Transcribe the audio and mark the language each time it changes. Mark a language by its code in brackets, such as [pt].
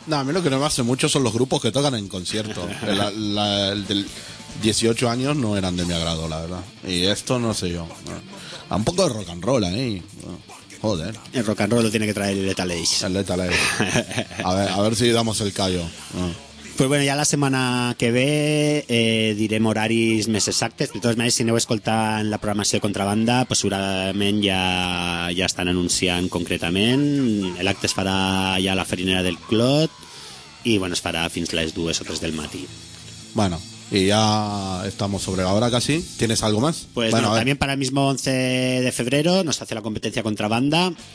[es] No, a mí lo que no me hace mucho son los grupos que tocan en concierto. El del 18 años no eran de mi agrado, la verdad. Y esto no sé yo. Un poco de rock and roll ahí. Joder. El rock and roll lo tiene que traer Lethal Age. El Lethal Age. A ver si damos el callo. [ca] Pues bueno, ja la setmana que ve direm horaris més exactes. De totes maneres, si aneu escoltant la programació de Contrabanda, pues segurament ja estan anunciant concretament. L'acte es farà ja a la Farinera del Clot i bueno, es farà fins a les 2 o 3 del matí. [es] Bueno, y ya estamos sobre la hora casi. ¿Tienes algo más? Pues bueno, no, también para el mismo 11 de febrero nos hace la competencia Contrabanda.